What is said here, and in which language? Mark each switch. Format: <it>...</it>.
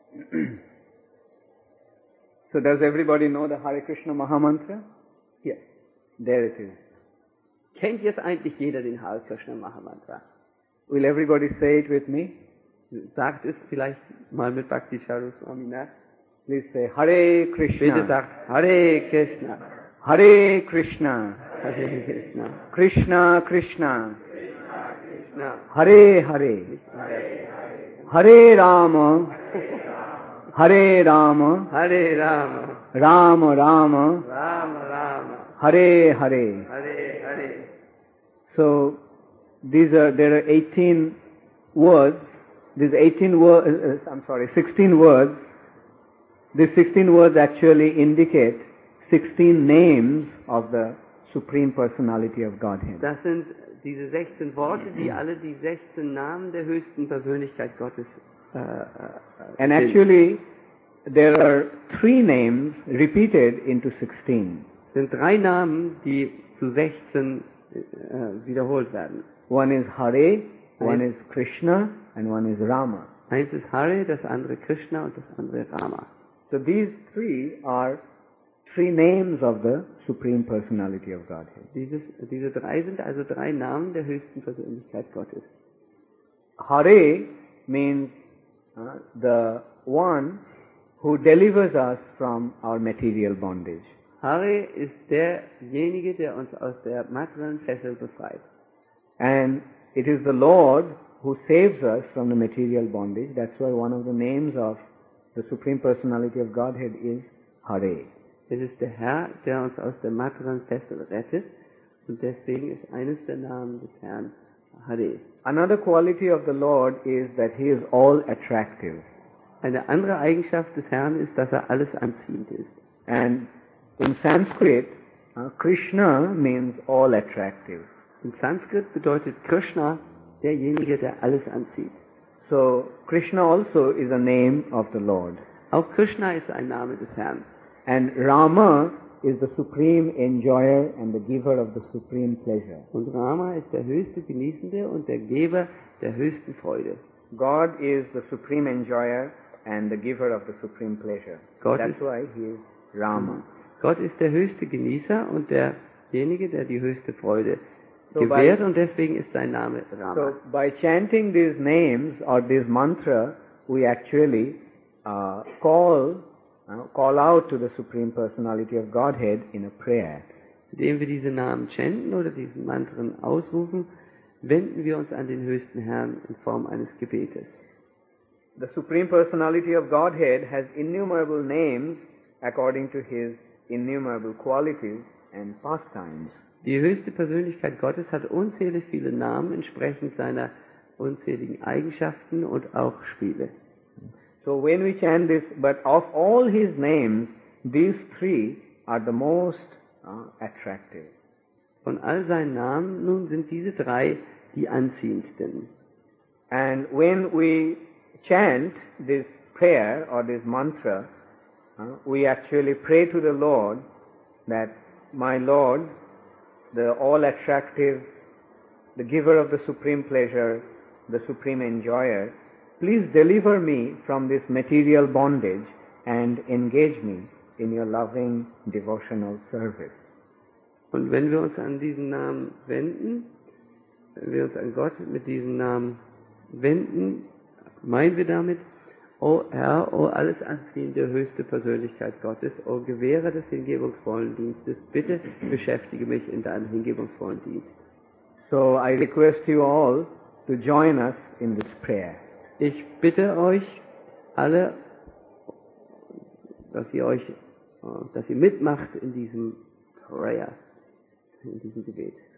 <en>So does everybody know the Hare Krishna Mahamantra? Yes. There it is.</en> <de>Kennt jetzt eigentlich jeder den Hare Krishna Mahamantra?</de> <en>Will everybody say it with me?</en> <de>Sagt es vielleicht mal mit Bhakti Charu Swami nach.</de> <en>Please say Hare Krishna.</en> <de>Bitte sagt Hare Krishna.</de> <sa>Hare Krishna. Hare Krishna. Krishna Krishna. Krishna Krishna. Hare Hare. Hare Hare. Hare Rama. Hare Rama. Hare Rama. Hare Rama. Rama Rama. Rama Rama. Hare Hare. Hare Hare.</sa> <en>So there are 18 words. These 18 words, I'm sorry, 16 words, these 16 words actually indicate 16 names of the Supreme Personality of Godhead.</en> <de>Das sind diese 16 Worte, die alle die 16 Namen der höchsten Persönlichkeit Gottes sind.</de> <en>And actually, there are three names repeated into 16.</en> <de>Es sind drei Namen, die zu 16 wiederholt werden.</de> <en>One is Hare, one is Krishna, and one is Rama.</en> <de>Eins ist Hare, das andere Krishna und das andere Rama.</de> <en>So these three are three names of the Supreme Personality of Godhead.</en> <de>Diese drei sind also drei Namen der höchsten Persönlichkeit Gottes.</de> <en>Hare means the one who delivers us from our material bondage.</en> <de>Hare ist derjenige, der uns aus der materiellen Fessel befreit.</de> <en>And it is the Lord who saves us from the material bondage. That's why one of the names of the Supreme Personality of Godhead is Hare.</en> <de>Es ist der Herr, der uns aus der materiellen Fessel rettet, und deswegen ist eines der Namen des Herrn Hare.</de> <en>Another quality of the Lord is that he is all attractive.</en> <de>Eine andere Eigenschaft des Herrn ist, dass er alles anziehend ist.</de> <en>And in Sanskrit, Krishna means all attractive.</en> <de>In Sanskrit bedeutet Krishna derjenige, der alles anzieht.</de> <en>So Krishna also is a name of the Lord.</en> <de>Auch Krishna ist ein Name des Herrn.</de> <en>And Rama is the supreme enjoyer and the giver of the supreme pleasure.</en> <de>Und Rama ist der höchste Genießende und der Geber der höchsten Freude.</de> <en>God is the supreme enjoyer and the giver of the supreme pleasure. That's why he is Rama.</en> <de>Gott ist der höchste Genießer und derjenige, der die höchste Freude gewährt, und deswegen ist sein Name Rama.</de> <en>So by chanting these names or this mantra, we actually call out to the Supreme Personality of Godhead in a prayer.</en> <de>Indem wir diese Namen chanten oder diesen Mantren ausrufen, wenden wir uns an den höchsten Herrn in Form eines Gebetes.</de> <en>The Supreme Personality of Godhead has innumerable names according to his innumerable qualities and pastimes.</en> <de>Die höchste Persönlichkeit Gottes hat unzählig viele Namen entsprechend seiner unzähligen Eigenschaften und auch Spiele.</de> <en>So when we chant this, but of all his names, these three are the most attractive.</en> <de>Von all seinen Namen nun sind diese drei die anziehendsten.</de> <en>And when we chant this prayer or this mantra, we actually pray to the Lord that, my Lord, the all attractive, the giver of the supreme pleasure, the supreme enjoyer, please deliver me from this material bondage and engage me in your loving devotional service.</en> <de>Und wenn wir uns an diesen Namen wenden, wenn wir uns an Gott mit diesem Namen wenden, meinen wir damit, o Herr, o alles anziehende höchste Persönlichkeit Gottes, o Gewähre des hingebungsvollen Dienstes, bitte beschäftige mich in deinem hingebungsvollen Dienst.</de> <en>So I request you all to join us in this prayer.</en> <de>Ich bitte euch alle, dass ihr mitmacht in diesem Prayer, in diesem Gebet.</de>